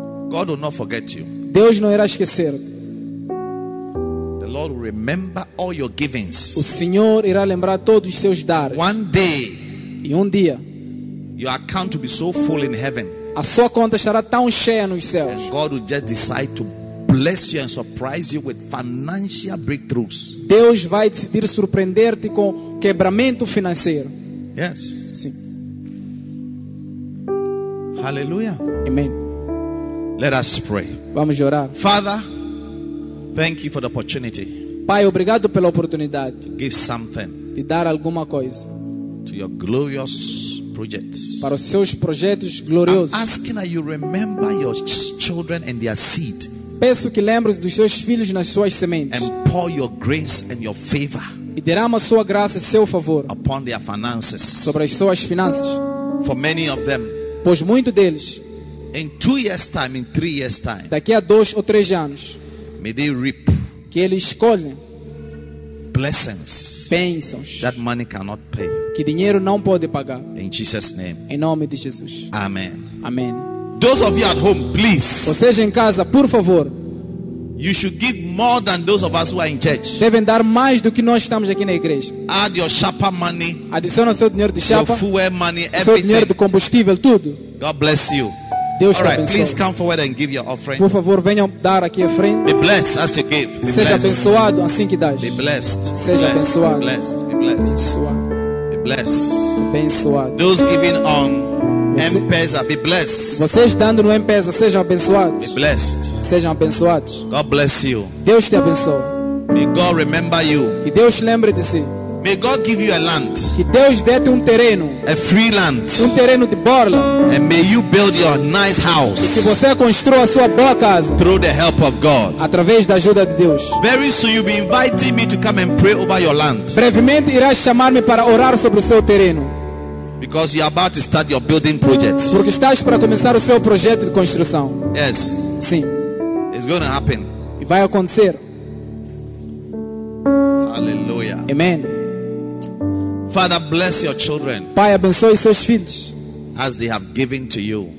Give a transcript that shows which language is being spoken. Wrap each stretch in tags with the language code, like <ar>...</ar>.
<en>God will not forget you.</en> <pt>Deus não irá esquecer.</pt> <en>Lord, remember all your givings.</en> <pt>O Senhor irá lembrar todos os seus dares.</pt> <en>One day,</en> <pt>e dia,</pt> <en>your account will be so full in heaven.</en> <pt>A sua conta estará tão cheia nos céus.</pt> <en>God will just decide to bless you and surprise you with financial breakthroughs.</en> <pt>Deus vai decidir surpreender-te com quebramento financeiro.</pt> <en>Yes.</en> <pt>Sim.</pt> <en>Hallelujah. Amen. Let us pray.</en> <pt>Vamos orar.</pt> <en>Father, thank you for the opportunity.</en> <pt>Pai, obrigado pela oportunidade.</pt> <en>To give something.</en> <pt>De dar alguma coisa.</pt> <en>To your glorious projects.</en> <pt>Para os seus projetos gloriosos.</pt> <en>I'm asking that you remember your children and their seed.</en> <pt>Peço que lembres dos seus filhos nas suas sementes.</pt> <en>And pour your grace and your favor.</en> <pt>E derrama sua graça e seu favor.</pt> <en>Upon their finances.</en> <pt>Sobre as suas finanças.</pt> <en>For many of them.</en> <pt>Pois muito deles.</pt> <en>In 2 years' time, in 3 years' time.</en> <pt>Daqui a 2 ou 3 anos.</pt> <en>May they reap.</en> <pt>Que eles colhem.</pt> <en>Blessings.</en> <pt>Bênçãos.</pt> <en>That money cannot pay.</en> <pt>Que dinheiro não pode pagar.</pt> <en>In Jesus' name.</en> <pt>Em nome de Jesus.</pt> <en>Amen.</en> <pt>Amen.</pt> <en>Those of you at home, please.</en> <pt>Vocês em casa, por favor.</pt> <en>You should give more than those of us who are in church.</en> <pt>Devem dar mais do que nós estamos aqui na igreja.</pt> <en>Add your sharper money.</en> <pt>Adiciona seu dinheiro de chapa.</pt> <en>Your fuel money,</en> <pt>seu</pt> <en>everything.</en> <pt>Dinheiro de combustível, tudo.</pt> <en>God bless you.</en> <pt>Deus</pt> <en>All right,</en> <pt>abençoe.</pt> <en>Please come forward and give your offering.</en> <pt>Por favor, venham dar aqui a frente.</pt> <en>Be blessed as you give. Be</en> <pt>Seja</pt> <en>blessed.</en> <pt>Abençoado assim que dás.</pt> <en>Be blessed.</en> <pt>Seja</pt> <en>blessed.</en> <pt>Abençoado.</pt> <en>Be blessed. Be blessed.</en> <pt>Abençoado.</pt> <en>Be blessed.</en> <pt>Abençoado.</pt> <en>Those giving on M-Pesa, be blessed.</en> <pt>Vocês dando no M-Pesa, sejam abençoados.</pt> <en>Be blessed.</en> <pt>Sejam abençoados.</pt> <en>God bless you.</en> <pt>Deus te abençoe.</pt> <en>May God remember you.</en> <pt>Que Deus lembre de si.</pt> <en>May God give you a land.</en> <pt>Que Deus dê-te terreno.</pt> <en>A free land.</en> <pt>Terreno de borla.</pt> <en>And may you build your nice house.</en> <pt>E que você construa sua boa casa.</pt> <en>Through the help of God.</en> <pt>Através da ajuda de Deus.</pt> <en>Very soon you'll be inviting me to come and pray over your land.</en> <pt>Brevemente irás chamar-me para orar sobre o seu terreno.</pt> <en>Because you are about to start your building project.</en> <pt>Porque estás para começar o seu projeto de construção.</pt> <en>Yes.</en> <pt>Sim.</pt> <en>It's going to happen.</en> <pt>E vai acontecer.</pt> <en>Hallelujah. Amen. Father, bless your children.</en> <pt>Pai, abençoe seus filhos.</pt> <en>As they have given to you.</en>